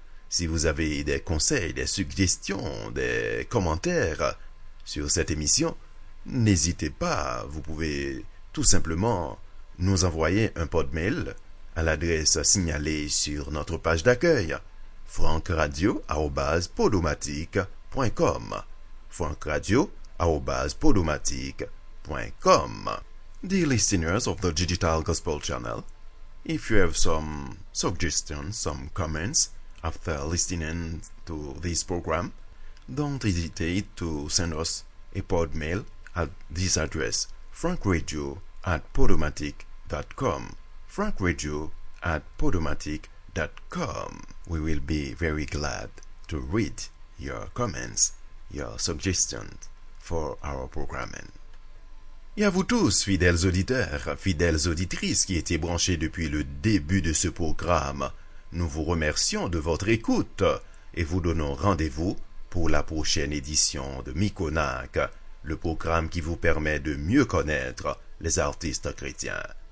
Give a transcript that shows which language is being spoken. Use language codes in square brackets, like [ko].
[fr] Si vous avez des conseils, des suggestions, des commentaires sur cette émission, n'hésitez pas, vous pouvez tout simplement nous envoyer un podmail à l'adresse signalée sur notre page d'accueil francradio@podomatic.com francradio@podomatic.com. [en] Dear listeners of the Digital Gospel Channel, if you have some suggestions, some comments after listening to this program, don't hesitate to send us a pod mail at this address, francradio@podomatic.com francradio@podomatic.com. We will be very glad to read your comments, your suggestions for our programming. [fr] Et à vous tous, fidèles auditeurs, fidèles auditrices qui étaient branchés depuis le début de ce programme, nous vous remercions de votre écoute et vous donnons rendez-vous pour la prochaine édition de Mykonak, le programme qui vous permet de mieux connaître les artistes chrétiens.